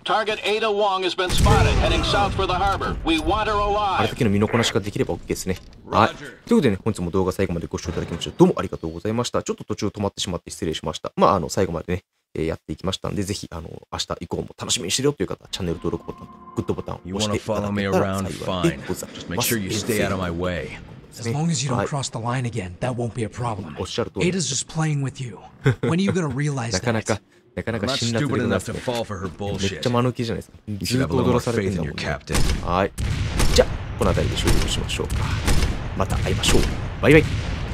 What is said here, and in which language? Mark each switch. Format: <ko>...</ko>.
<en>Target Ada Wong has been spotted heading south for the harbor. We want her alive.</en> <ja>あれだけの身のこなしができればOKですね。はい。ということでね、本日も動画最後までご視聴いただきましてどうもありがとうございました。ちょっと途中止まってしまって失礼しました。まあ、最後までね、やっていきましたんで、ぜひ、明日以降も楽しみにしてるよという方は、チャンネル登録ボタンとグッドボタンを押していただけたら幸いでございます。</ja> <en>Just make sure you stay out of my way. As long as you don't cross the line again, that won't be a problem. Ada's just playing with you. When are you gonna realize that?</en> <ja>なかなか辛辣でございますね。めっちゃ間抜きじゃないですか。ずっと踊らされてるんだもんね。はい。じゃあ、この辺りで終了しましょうか。また会いましょう。バイバイ。</ja>